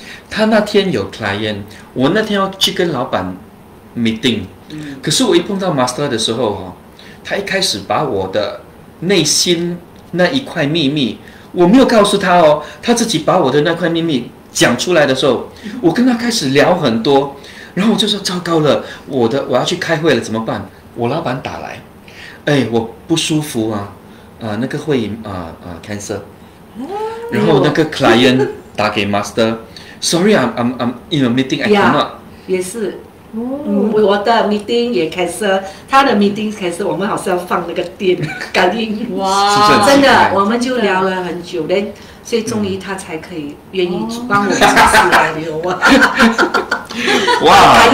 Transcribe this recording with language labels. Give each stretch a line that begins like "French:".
Chinese: 他那天有 client， 我那天要去跟老板 meeting、可是我一碰到 Master 的时候、他一开始把我的内心那一块秘密，我没有告诉他哦，他自己把我的那块秘密讲出来的时候，我跟他开始聊很多，然后我就说糟糕了，我要去开会了，怎么办？我老板打来，哎，我不舒服啊，那个会cancer， 然后那个 client 打给 master，
English: sorry， I'm in a meeting， I cannot， yeah，
Chinese: 也是、我的 meeting 也 cancer， 他的 meeting cancer， 我们好像放那个电感应，哇，真的，我们就聊了很久，连所以终于他才可以愿意帮我开始来聊啊。哇、wow, ！